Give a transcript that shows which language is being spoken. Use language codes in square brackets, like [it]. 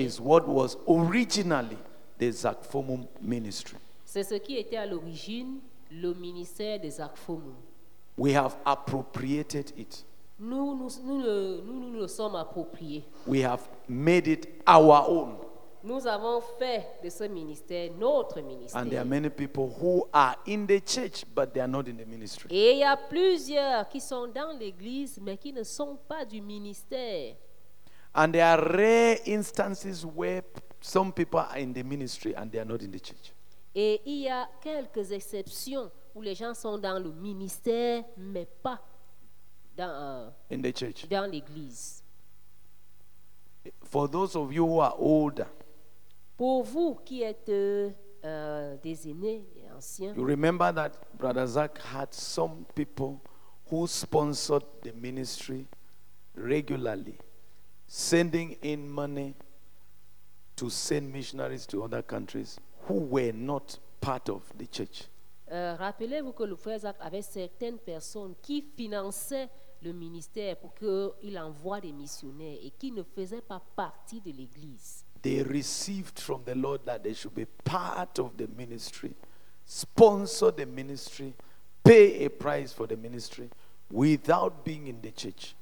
[en] is what was originally the Zach Fomu ministry. [fr] C'est ce qui était à l'origine le ministère de Zach Fomu. [en] We have appropriated it. [fr] Nous le sommes approprié. [en] We have made it our own. [fr] Nous avons fait de ce ministère notre ministère. [en] And there are many people who are in the church, but they are not in the ministry. [fr] Et il y a plusieurs qui sont dans l'église, mais qui ne sont pas du ministère. [en] And there are rare instances where some people are in the ministry and they are not in the church. [fr] Et il y a quelques exceptions où les gens sont dans le ministère, mais pas dans, [en] in the church. [fr] Dans l'église. [en] For those of you who are older, [fr] pour vous qui êtes des aînés et anciens, [en] you remember that Brother Zach had some people who sponsored the ministry regularly, sending in money to send missionaries to other countries who were not part of the church. [fr] Rappelez-vous que le frère Zach avait certaines personnes qui finançaient le ministère pour qu'il envoie des missionnaires et qui ne faisaient pas partie de l'église. [en] they received from the Lord that they should be part of the ministry, sponsor the ministry, pay a price for the ministry without being in the church.